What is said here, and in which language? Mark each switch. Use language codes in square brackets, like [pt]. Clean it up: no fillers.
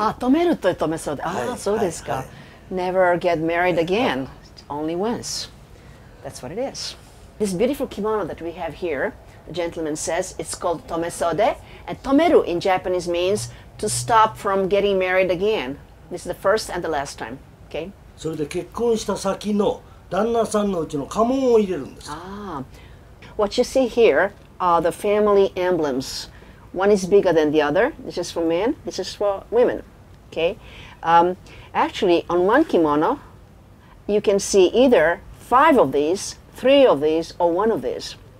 [ja] あ、止めると止めそうで。あ、はい、そうですか、はいはい。 [en] Never get married again.、はい、Only once. That's what it is. This beautiful kimono that we have here, the gentleman says, it's called tomesode. And tomeru in Japanese means to stop from getting married again. This is the first and the last time. Okay? [ja] それで結婚した先の旦那さんのうちの家紋を入れるんです。ああ。 [en] What you see here,are the family emblems. One is bigger than the other. This is for men, this is for women. Okay? Actually, on one kimono, you can see either five of these, three of these, or one of these.